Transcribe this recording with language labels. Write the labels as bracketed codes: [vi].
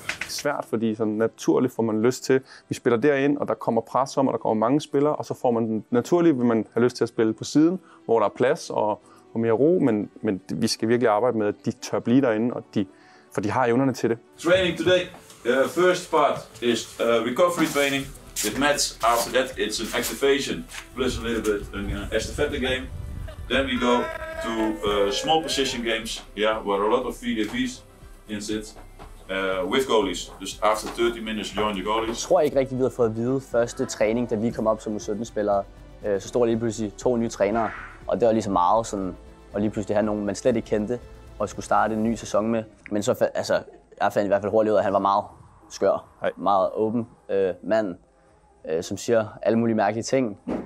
[da] Svært, fordi sådan naturligt får man lyst til, vi spiller derind, og der kommer pres om, og der kommer mange spillere, og så får man naturligt, vil man have lyst til at spille på siden, hvor der er plads og mere ro, men vi skal virkelig arbejde med, at de tør blive derinde, og for de har evnerne til det. [en] Training today. First part is recovery training with mats. After that, it's an activation plus a little bit an estafette game. Then we go to small position games, yeah, where a lot of VDVs in sit. With goalies, just after 30 minutes, join the goalies. [da] Jeg tror ikke rigtig, vi har fået at vide første træning, da vi kom op som U17-spillere. Så stod lige pludselig to nye trænere, og det var ligesom meget sådan, og lige pludselig have nogen, man slet ikke kendte, og skulle starte en ny sæson med. Men så, altså, jeg fandt i hvert fald hurtigt ud af, at han var meget skør, meget åben mand, som siger alle mulige mærkelige ting.